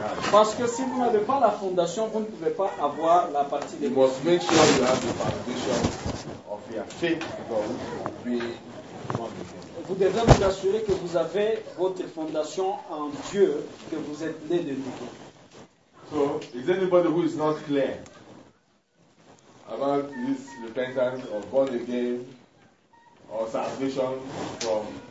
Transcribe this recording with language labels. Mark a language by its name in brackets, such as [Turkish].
[French] Parce que si vous n'avez pas la fondation, vous ne pouvez pas avoir la partie de vous. [English] You must make sure you have the foundation of your faith before you can be born again. [French] Vous devez vous assurer que vous avez votre fondation en Dieu, que vous êtes né de nouveau. [English] So, is anybody who is not clear about this repentance of born again or salvation from